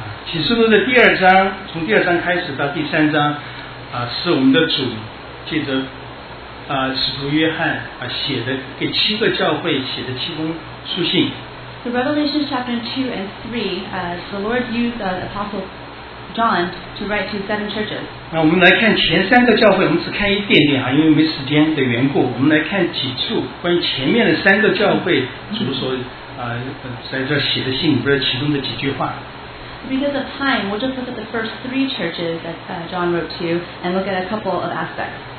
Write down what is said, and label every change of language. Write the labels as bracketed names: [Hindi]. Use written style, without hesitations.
[Chinese] 启示录的第二章，从第二章开始到第三章，是我们的主借着使徒约翰写的给七个教会写的七封书信。 [English] So Revelation chapter 2 and 3, the Lord used the Apostle John to write to seven churches. [Chinese] 那我们来看前三个教会，我们只看一点点因为没时间的缘故，我们来看几处关于前面的三个教会主所在这写的信里边其中的几句话。 [English] Because of time, we'll just look at the first three churches that John wrote to and look at a couple of aspects.